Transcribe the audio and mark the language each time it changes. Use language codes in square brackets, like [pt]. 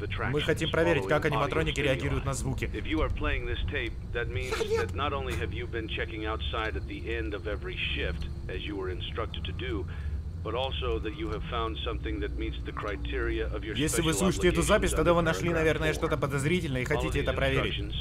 [ru] Мы хотим проверить, как аниматроники реагируют на звуки. [en] If you are playing this tape, that means that not only have you been checking outside at the end of every shift, as you were instructed to do, but also that you have found something that meets the criteria of your special obligations. [ru] Если вы слушаете эту запись, тогда вы нашли, наверное, что-то подозрительное и хотите это проверить.